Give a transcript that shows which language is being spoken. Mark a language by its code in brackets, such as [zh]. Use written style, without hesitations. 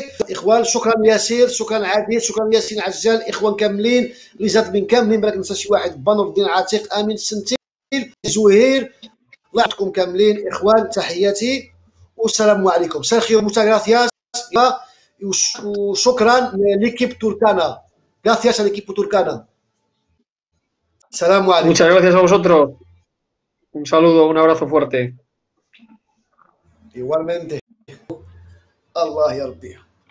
[ar] اخوان شكرا ياسير، شكرا عادل، شكرا ياسين عجال، اخوان كاملين اللي زاد من كاملين بلاك ننسى شي واحد، بنور الدين عتيق، امين سنتيل، زهير، الله يعطيكم كاملين اخوان تحياتي والسلام عليكم. سيرخيو موتا غراسياس، وشكرا ليكيب تركانا، غراسياس ليكيب تركانا. السلام عليكم. [es] Muchas gracias a vosotros. Un saludo, un abrazo fuerte. [ar] Igualmente. الله يرضيه.